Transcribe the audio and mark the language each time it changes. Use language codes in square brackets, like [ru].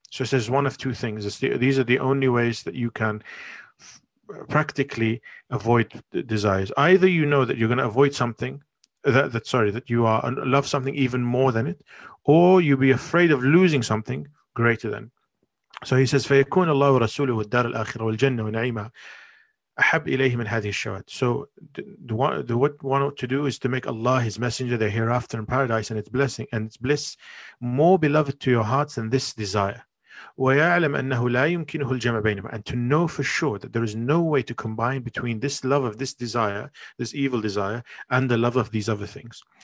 [en] So it says one of two things. These are the only ways that you can practically avoid desires. Either you know that you're going to avoid something, that you are love something even more than it, or you be afraid of losing something greater than. So he says, [ar] فَيَكُونَ اللَّهُ وَرَسُولُهُ وَالدَّارُ الْآخِرَةُ وَالْجَنَّةُ وَنَعِيمًا أَحَبْ إِلَيْهِ مِنْ هَذِهِ الشَّوَاتِ. [en] So what one ought to do is to make Allah his messenger, the hereafter in paradise, and its blessing and its bliss more beloved to your hearts than this desire. [ar] وَيَعْلَمْ أَنَّهُ لَا يُمْكِنُهُ الْجَمْعَ بَيْنَهُمَا, [en] and to know for sure that there is no way to combine between this love of this desire, this evil desire, and the love of these other things.